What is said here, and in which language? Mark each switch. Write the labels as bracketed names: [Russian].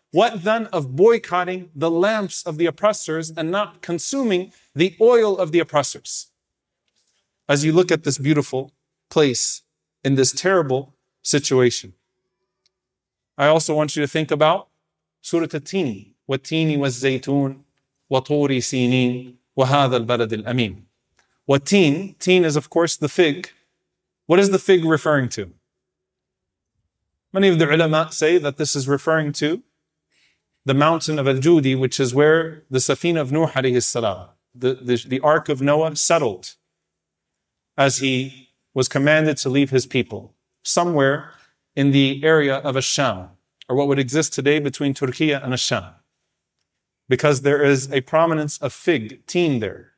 [English] What then of boycotting the lamps of the oppressors and not consuming the oil of the oppressors? As you look at this beautiful place in this terrible situation, I also want you to think about Surah At-Tini. [Arabic] وَالتِّينِ وَالزَّيْتُونِ وَطُورِ سِينِينَ وَهَذَا الْبَلَدِ الْأَمِينِ وَالتِّين, [English] teen is of course the fig. What is the fig referring to? Many of the ulama say that this is referring to the mountain of Al-Judi, which is where the Safina of Nuh alayhi salam, the Ark of Noah, settled as he was commanded to leave his people somewhere in the area of Ash-Sham, or what would exist today between Turkiya and Ash-Sham, because there is a prominence of fig, teen there.